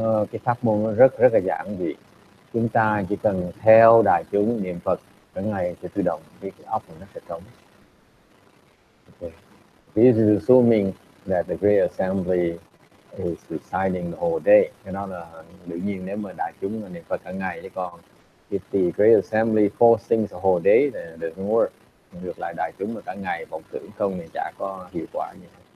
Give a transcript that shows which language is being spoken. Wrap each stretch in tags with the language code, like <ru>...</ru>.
<vi>Cái pháp môn nó rất là giản dị. Chúng ta chỉ cần theo đại chúng niệm Phật mỗi ngày thì tự động cái óc của nó sẽ trống.</vi> <en>Okay. This is assuming that the Great Assembly is reciting the whole day.</en> <vi>Cái đó là đương nhiên nếu mà đại chúng niệm Phật cả ngày. Chứ còn</vi> <en>if the Great Assembly forcing the whole day, then it doesn't work.</en> <vi>Ngược lại đại chúng mà cả ngày vọng tưởng không thì chả có hiệu quả gì.</vi>